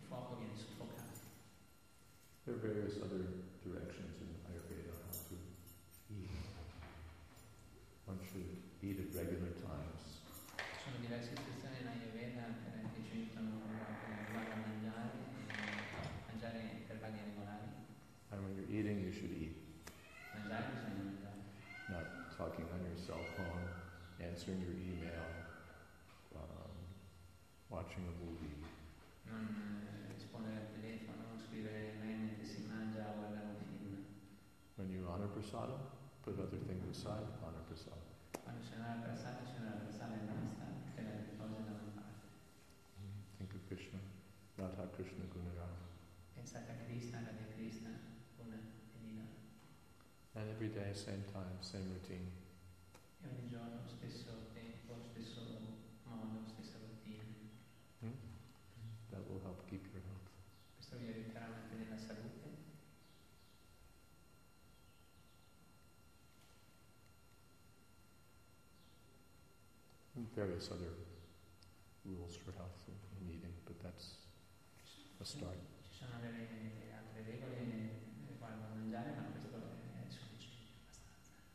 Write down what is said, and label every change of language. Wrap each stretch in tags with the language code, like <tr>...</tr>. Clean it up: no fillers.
<en>There are various other directions in Ayurveda how to eat. One should eat at regular times.</en> <it>Sono diverse istruzioni in Ayurveda che ci aiutano a mangiare per vaghe regolari.</it> <en>And when you're eating, you should eat.</en> <it>Mangiare bisogna mangiare.</it> <en>Not talking on your cell phone, answering your email, watching a movie.</en> <it>Non rispondere al telefono, scrivere mentre si mangia o guardare un film.</it> <en>When you honor prasada, put other things aside, honor prasada.</en> <it>Quando c'è una prasada, c'è una prasada e basta.</it> <en>Think of Krishna, Radha Krishna Gunaram.</en> <it>Pensate a Krishna, Radha Krishna, Guna e Lila.</it> <en>And every day, same time, same routine.</en> <it>E ogni giorno, stesso tempo, stesso modo, stessa routine.</it> <en>That will help keep your health.</en> <it>Questo vi aiuterà a mantenere la salute.</it> <en>And various other rules for health in eating, but that's a start.</en> <it>Ci sono delle altre regole quando mangiare, ma questo è sufficiente abbastanza.</it>